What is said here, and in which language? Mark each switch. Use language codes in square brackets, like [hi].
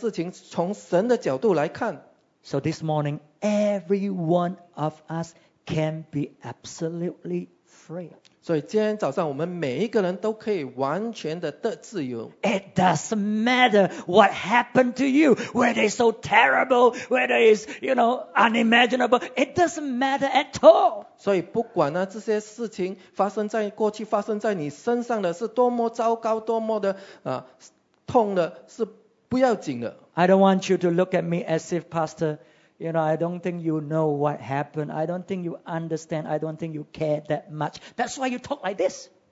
[zh] 所以不管这个人是故意的伤我们，或者是无意的，或者是我们思想看错的，不管他怎样呢，我们应该看这个事情从神的角度来看。 [en] So this morning, every one of us can be absolutely free. [zh] 所以今天早上我们每一个人都可以完全的自由。 [en] It doesn't matter what happened to you, whether it's so terrible, whether it's, you know, unimaginable. It doesn't matter at all. [zh] 所以不管呢，这些事情发生在过去，发生在你身上的是多么糟糕，多么的痛的，是不要紧的。 [en] I don't want you to look at me as if, Pastor, you know, I don't think you know what happened. I don't think you understand. I don't think you care that much. That's why you talk like this.